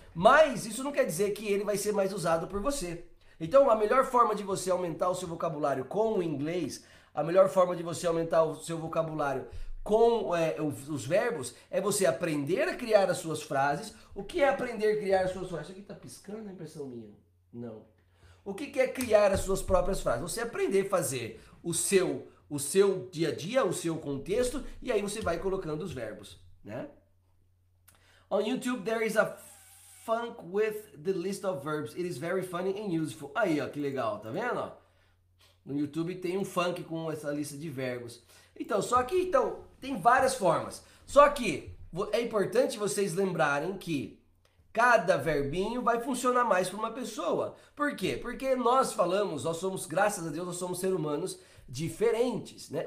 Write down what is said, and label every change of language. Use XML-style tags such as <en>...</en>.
<pt>Mas isso não quer dizer que ele vai ser mais usado por você. Então, a melhor forma de você aumentar o seu vocabulário com o inglês, a melhor forma de você aumentar o seu vocabulário com os verbos, é você aprender a criar as suas frases. O que é aprender a criar as suas frases? Isso aqui tá piscando, é impressão minha? Não. O que é criar as suas próprias frases? Você aprender a fazer o seu dia a dia, o seu contexto, e aí você vai colocando os verbos, né?</pt> <en>On YouTube, there is a Funk with the list of verbs. It is very funny and useful.</en> <pt>Aí, ó, que legal, tá vendo? No YouTube tem um funk com essa lista de verbos. Então, tem várias formas. Só que é importante vocês lembrarem que cada verbinho vai funcionar mais para uma pessoa. Por quê? Porque nós somos, graças a Deus, nós somos seres humanos diferentes, né?</pt>